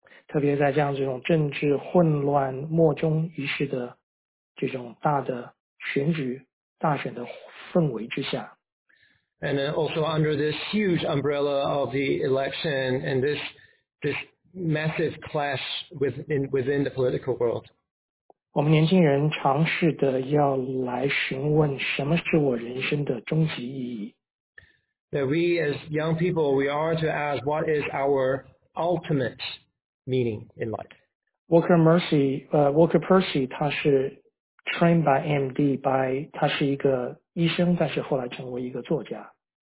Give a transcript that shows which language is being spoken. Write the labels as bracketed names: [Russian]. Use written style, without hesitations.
[Chinese] 特别在这样这种政治混乱莫衷一是的这种大的选举大选的氛围之下。 [English] And also under this huge umbrella of the election and this massive clash within the political world. [Chinese] 我们年轻人尝试的要来询问什么是我人生的终极意义。 [English] That we as young people, we are to ask what is our ultimate meaning in life. [Chinese] Walker Percy, 他是 [English] trained by MD, [Chinese] 他是一个医生，但是后来成为一个作家。